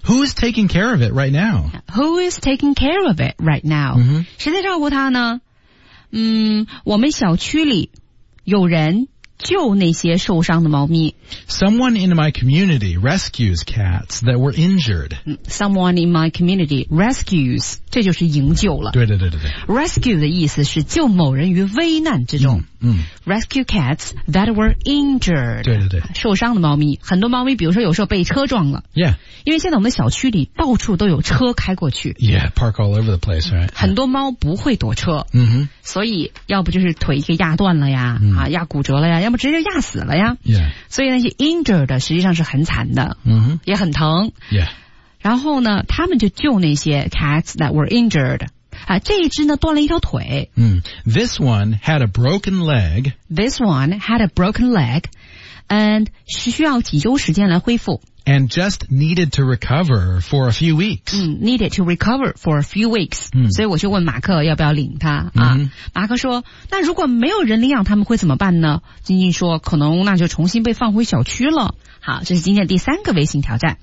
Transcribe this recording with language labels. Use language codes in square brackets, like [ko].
[en] ？Who is taking care of it right now? Who is taking care of it right now?、 [zh] 嗯、谁在照顾它呢？嗯，我们小区里有人救那些受伤的猫咪。 [en] Someone in my community rescues cats that were injured. Someone in my community rescues, [zh] 这就是营救了。对对对对对。 Rescue 的意思是救某人于危难之中。嗯。嗯 [en] Rescue cats that were injured. [zh] 对对对。受伤的猫咪，很多猫咪比如说有时候被车撞了。 [en] Yeah. [zh] 因为现在我们小区里到处都有车开过去。 [en] Yeah, park all over the place, right? [zh] 很多猫不会躲车。嗯哼。所以要不就是腿给压断了呀、嗯、啊压骨折了呀。要么直接压死了呀、 [en] yeah. [zh] 所以那些 injured 实际上是很惨的、 [en] mm-hmm. [zh] 也很疼、 [en] yeah. [zh] 然后呢他们就救那些 [en] cats that were injured、 [zh] 啊、这一只呢断了一条腿、 [en] mm. This one had a broken leg This one had a broken leg and [zh] 需要几周时间来恢复 [en] and just needed to recover for a few weeks、 mm. needed to recover for a few weeks、 mm. [zh] 所以我就问马克要不要领他、啊 [en] mm-hmm. [zh] 马克说那如果没有人领养他们会怎么办呢晶晶说可能那就重新被放回小区了好这是今天第三个微信挑战、